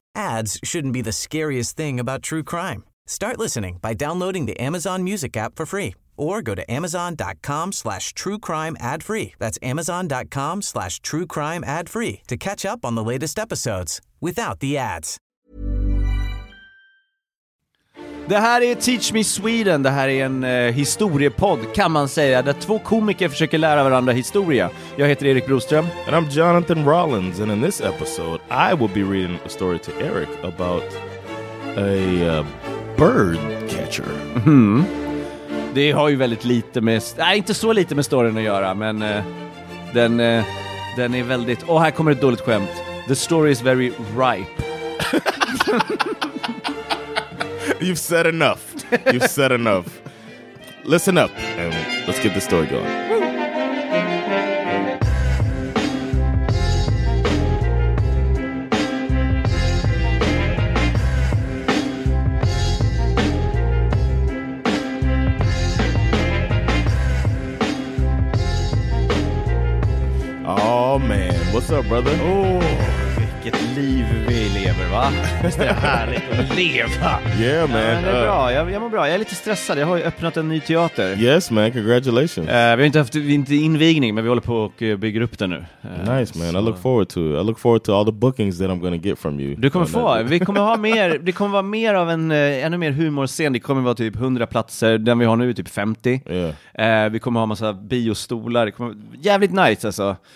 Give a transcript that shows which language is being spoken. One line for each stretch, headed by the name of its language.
English: Ads shouldn't be the scariest thing about true crime. Start listening by downloading the Amazon Music app for free or go to amazon.com/truecrimeadfree. That's amazon.com/truecrimeadfree to catch up on the latest episodes without the ads.
Swedish: Det här är Teach Me Sweden. Det här är en historiepodd, kan man säga, där två komiker försöker lära varandra historia. Jag heter Erik Broström.
English: And I'm Jonathan Rollins. And in this episode I will be reading a story to Eric about a bird catcher. Mm.
Swedish: Det har ju väldigt lite med, nej, inte så lite med storyn att göra, men den är väldigt, och här kommer ett dåligt skämt.
English: The story is very ripe. You've said enough. Listen up and let's get the story going. Oh man, what's up, brother?
Swedish: Oh. Vilket liv vi lever, va? Det är härligt att leva.
English: Yeah, man.
Swedish: Ja, det är bra. Jag mår bra. Jag är lite stressad. Jag har ju öppnat en ny teater.
English: Yes, man. Congratulations.
Swedish: Vi har inte haft invigning, men vi håller på och bygger upp den nu.
English: Nice, man. Så. I look forward to all the bookings that I'm going to get from you.
Swedish: Du kommer få. Vi kommer ha mer. Det kommer vara mer av en ännu mer humorscen. Det kommer vara typ 100 platser. Den vi har nu är typ 50.
English: Yeah.
Swedish: Vi kommer ha massa biostolar. Det kommer jävligt nice, alltså.